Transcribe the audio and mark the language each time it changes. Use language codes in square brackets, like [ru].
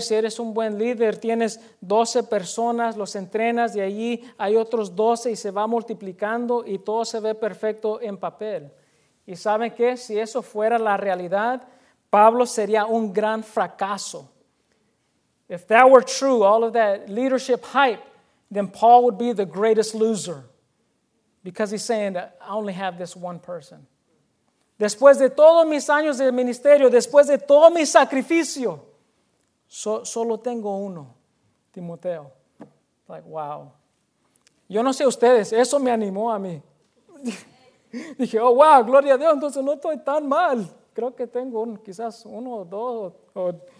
[es] Si eres un buen líder, tienes 12 personas, los entrenas y allí hay otros 12 y se va multiplicando y todo se ve perfecto en papel. ¿Y saben qué? Si eso fuera la realidad, Pablo sería un gran fracaso. [en] If that were true, all of that leadership hype, then Paul would be the greatest loser. Because he's saying, I only have this one person. [es] Después de todos mis años de ministerio, después de todo mi sacrificio, solo tengo uno, Timoteo. [en] Like, wow. [es] Yo no sé ustedes, eso me animó a mí. Dije, oh, wow, gloria a Dios, entonces no estoy tan mal. Creo que tengo quizás uno o dos, o